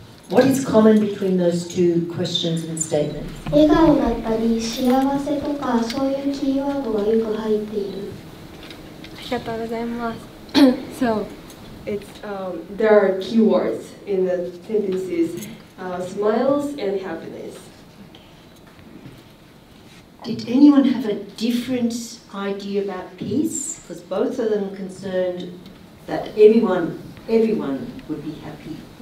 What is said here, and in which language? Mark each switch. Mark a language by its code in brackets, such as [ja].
[en] What is common between those two questions and statements? [ja] 笑顔だったり幸せとかそういうキーワードがよく入っている。ありがとうございます。 [en] So, it's there are keywords in the sentences, smiles and happiness. Did anyone have a different idea about peace? Because both of them concerned that everyone would be happy.